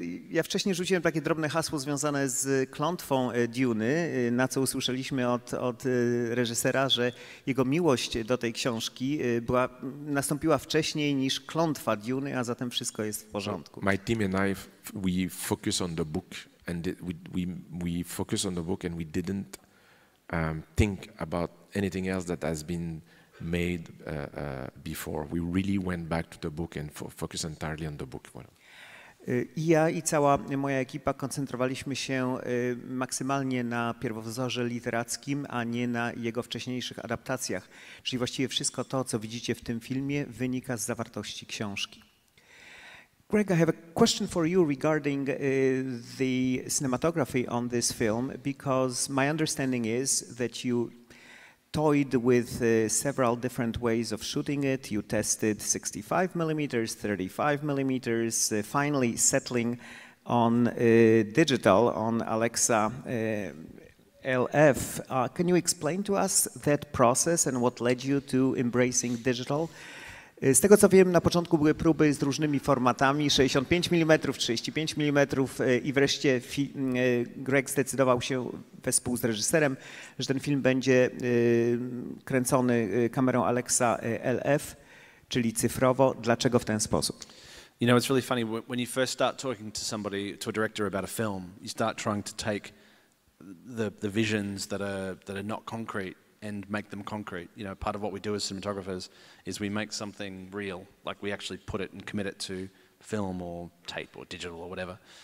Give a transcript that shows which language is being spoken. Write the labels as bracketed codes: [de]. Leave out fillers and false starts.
[pl] Ja wcześniej rzuciłem takie drobne hasło związane z klątwą Duny, na co usłyszeliśmy od reżysera, że jego miłość do tej książki nastąpiła wcześniej niż klątwa Duny, a zatem wszystko jest w porządku. [en] My team and I, we focus on the book. And we focus on the book, and we didn't think about anything else that has been made before. We really went back to the book and focus entirely on the book. [fr] Voilà. [pl] I ja i cała moja ekipa koncentrowaliśmy się maksymalnie na pierwowzorze literackim, a nie na jego wcześniejszych adaptacjach. Czyli właściwie wszystko to, co widzicie w tym filmie, wynika z zawartości książki. [en] Greig, I have a question for you regarding the cinematography on this film, because my understanding is that you toyed with several different ways of shooting it. You tested 65 millimeters, 35 millimeters, finally settling on digital, on Alexa LF. Can you explain to us that process and what led you to embracing digital? [pl] Z tego co wiem, na początku były próby z różnymi formatami, 65 mm, 35 mm i wreszcie Greig zdecydował się wespół z reżyserem, że ten film będzie kręcony kamerą Alexa LF, czyli cyfrowo. Dlaczego w ten sposób? [en] You know, it's really funny, when you first start talking to somebody, to a director about a film, you start trying to take the visions that are not concrete and make them concrete. You know, part of what we do as cinematographers is we make something real, like we actually put it and commit it to film or tape or digital or whatever.